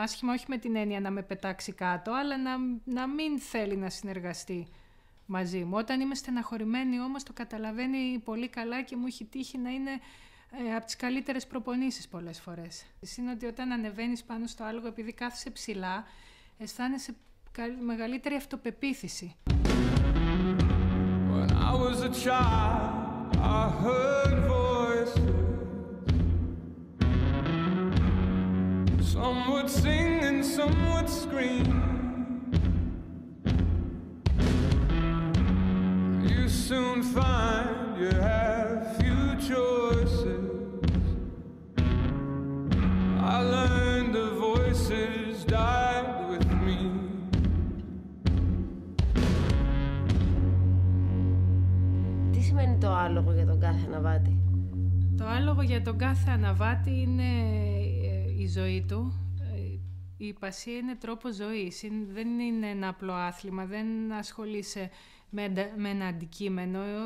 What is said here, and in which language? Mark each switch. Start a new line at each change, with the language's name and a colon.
Greek: Άσχημα όχι με την έννοια να με πετάξει κάτω, αλλά να μην θέλει να συνεργαστεί μαζί μου. Όταν είμαι στεναχωρημένη όμως, το καταλαβαίνει πολύ καλά και μου έχει τύχει να είναι από τις καλύτερες προπονήσεις πολλές φορές. Είναι ότι όταν ανεβαίνεις πάνω στο άλογο, επειδή κάθεσαι ψηλά, αισθάνεσαι μεγαλύτερη αυτοπεποίθηση.
English: When I was a child, I heard voices. Some would sing and some would scream. Soon find you have few choices. I learned the voices died with me.
Greek: Τι σημαίνει το άλογο για τον κάθε αναβάτη? Το άλογο για τον κάθε αναβάτη είναι η ζωή του. Η υπασία είναι τρόπο ζωής. Δεν είναι ένα απλό άθλημα, δεν ασχολείσαι με ένα αντικείμενο.